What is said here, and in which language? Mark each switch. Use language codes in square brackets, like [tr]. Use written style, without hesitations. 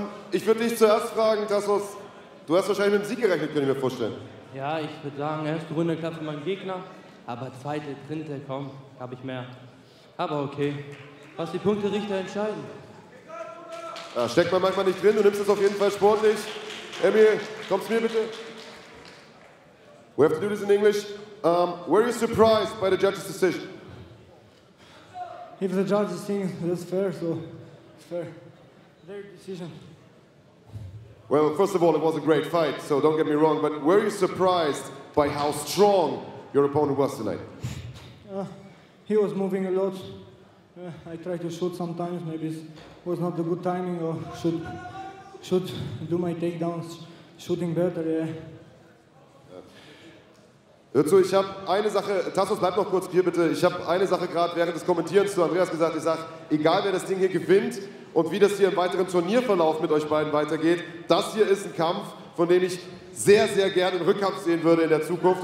[de] Ich würde dich zuerst fragen, Tassos, du hast wahrscheinlich mit dem Sieg gerechnet, kann ich mir vorstellen. Ja, ich würde sagen, erste Runde klappt für meinen Gegner, aber zweite, dritte, komm, habe ich mehr. Aber okay, was die Punkterichter entscheiden. Da steckt man manchmal nicht drin, du nimmst es auf jeden Fall sportlich. Emil, kommst du mir bitte? [en] We have to do this in English. Were you surprised by the judge's decision? If the judges think that's fair, so it's fair. Their decision. Well, first of all, it was a great fight, so don't get me wrong, but were you surprised by how strong your opponent was tonight? He was moving a lot. I tried to shoot sometimes, maybe it was not the good timing, or should do my takedowns shooting better, yeah. [de] Hör zu, ich habe eine Sache, Tassos, bleib noch kurz hier bitte. Ich habe eine Sache gerade während des Kommentierens zu Andreas gesagt. Ich sage, egal wer das Ding hier gewinnt und wie das hier im weiteren Turnierverlauf mit euch beiden weitergeht, das hier ist ein Kampf, von dem ich sehr, sehr gerne einen Rückkampf sehen würde in der Zukunft.